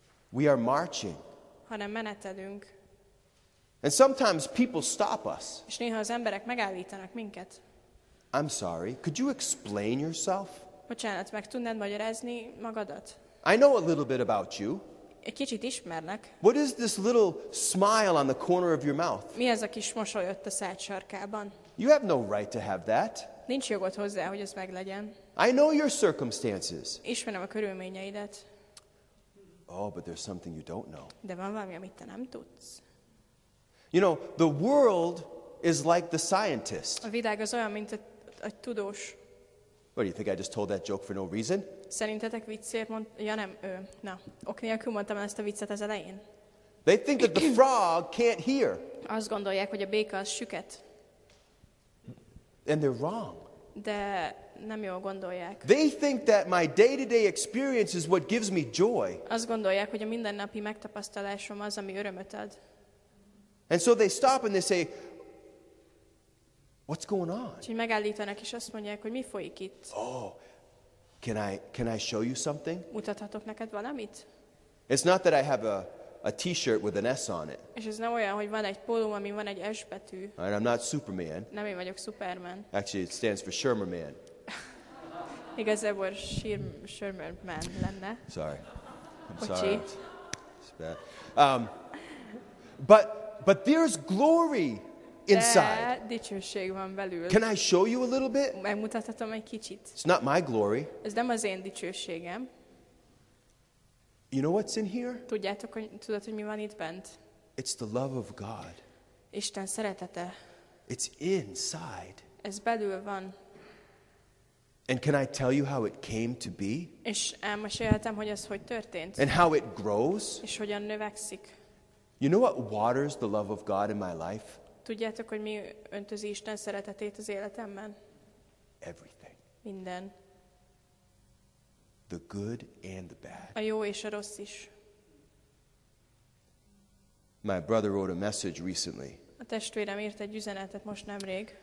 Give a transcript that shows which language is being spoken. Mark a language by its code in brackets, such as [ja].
[en] We are marching. [hu] Hanem menetelünk. [en] And sometimes people stop us. [hu] És néha az emberek megállítanak minket. [en] I'm sorry, could you explain yourself? [hu] Bocsánat, meg tudnád magyarázni magadat? [en] I know a little bit about you. [hu] Egy kicsit ismernek. [en] What is this little smile on the corner of your mouth? [hu] Mi ez a kis mosoly ott a szád sarkában? [en] You have no right to have that. [hu] Nincs jogod hozzá, hogy ez meglegyen. [en] I know your circumstances. [hu] Ismerem a körülményeidet. [en] Oh, but there's something you don't know. [hu] De van valami, amit te nem tudsz. [en] You know, the world is like the scientist. [hu] A világ az olyan, mint a tudós. [en] What do you think? I just told that joke for no reason? [hu] Szerintetek viccért mondtam? Ja nem, ő. Na, ok nélkül mondtam ezt a viccet az elején. [en] They think that the frog can't hear. [hu] Azt gondolják, hogy a béka az süket. [en] And they're wrong. [hu] De nem jól gondolják. [en] They think that my day-to-day experience is what gives me joy. [hu] Azt gondolják, hogy a mindennapi megtapasztalásom az, ami örömöt ad. [en] And so they stop and they say, what's going on? [hu] És megállítanak, és azt mondják, hogy mi folyik itt? [en] Oh, can I show you something? [hu] Mutathatok neked valamit? [en] It's not that I have a t-shirt with an S on it. [hu] És ez nem olyan, hogy van egy pólóm, ami van egy S betű. [en] And I'm not Superman. [hu] Nem én vagyok Superman. [en] Actually, it stands for Shermerman. [hu] Igazából Shermerman lenne. [en] Sorry. I'm sorry. It's bad. But there's glory inside. [hu] De dicsőség van belül. [en] Can I show you a little bit? [hu] Megmutathatom egy kicsit. [en] It's not my glory. [hu] Ez nem az én dicsőségem. [en] You know what's in here? [hu] Tudjátok, hogy, tudod, hogy mi van itt bent? [en] It's the love of God. [hu] Isten szeretete. [en] It's inside. [hu] Ez belül van. [en] And can I tell you how it came to be? [hu] És elmeséltem, hogy ez hogy történt. [en] And how it grows? [hu] És hogyan növekszik. [en] You know what waters the love of God in my life? [hu] Tudjátok, hogy mi öntözi Isten szeretetét az életemben? [en] Everything. [hu] Minden. [en] The good and the bad. [hu] A jó és a rossz is. [en] My brother wrote a message recently. [hu] A testvérem írt egy üzenetet most nemrég.